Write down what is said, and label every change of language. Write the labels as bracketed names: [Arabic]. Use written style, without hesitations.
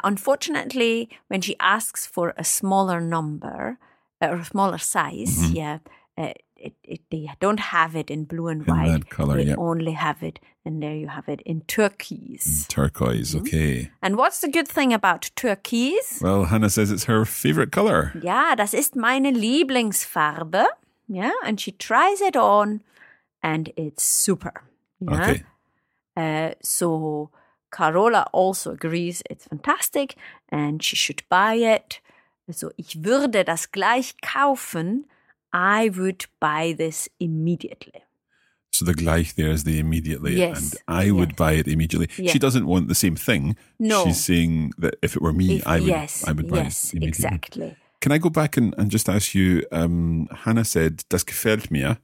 [English] Unfortunately, when she asks for a smaller number, or a smaller size, they don't have it in blue and white. In that color, they only have it, and there you have it, in turquoise. In turquoise, okay. And what's the good thing about turquoise? Well, Hannah says it's her favorite color. [German] Ja, das ist meine Lieblingsfarbe. [English] Yeah, and she tries it on, and it's super. Okay. So Carola also agrees it's fantastic, and she should buy it. [German] So ich würde das gleich kaufen. [English] I would buy this immediately. So the gleich there is the immediately. Yes. And I would buy it immediately. Yeah. She doesn't want the same thing. No. She's saying that if it were me, I would buy it immediately. Yes, exactly. Can I go back and just ask you, Hannah said, [German] das gefällt mir.